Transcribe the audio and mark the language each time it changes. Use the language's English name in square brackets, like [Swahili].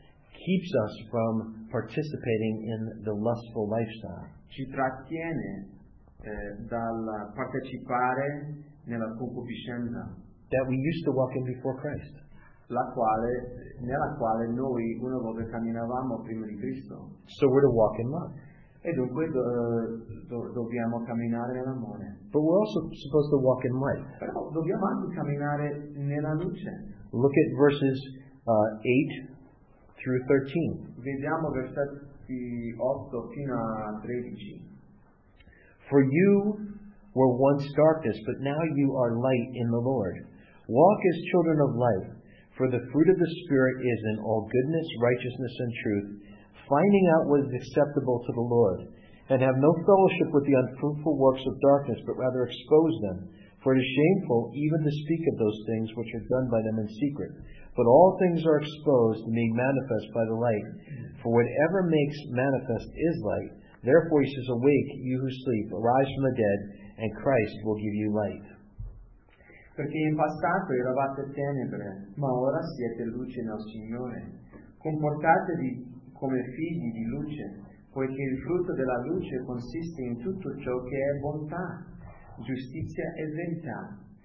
[English] Keeps us from participating in the lustful lifestyle. [Italian] Ci trattiene dal partecipare nella concupiscenza. [English] That we used to walk in before Christ. [Italian] Nella quale noi una volta camminavamo prima di Cristo. [English] So we're to walk in love. [Italian] E dunque dobbiamo camminare nell'amore. [English] But we're also supposed to walk in light. [Italian] Però dobbiamo anche camminare nella luce. [English] Look at verses 8. Through 13. [Italian] Vediamo versetti 8 fino a 13. [English] For you were once darkness, but now you are light in the Lord. Walk as children of light, for the fruit of the Spirit is in all goodness, righteousness, and truth, finding out what is acceptable to the Lord. And have no fellowship with the unfruitful works of darkness, but rather expose them. For it is shameful even to speak of those things which are done by them in secret. But all things are exposed and being manifest by the light. For whatever makes manifest is light. Therefore he says, Awake, you who sleep, arise from the dead, and Christ will give you light. [Italian] Perché in passato eravate tenebre, ma ora siete luce nel Signore. Comportatevi come figli di luce, poiché il frutto della luce consiste in tutto ciò che è bontà, giustizia e verità.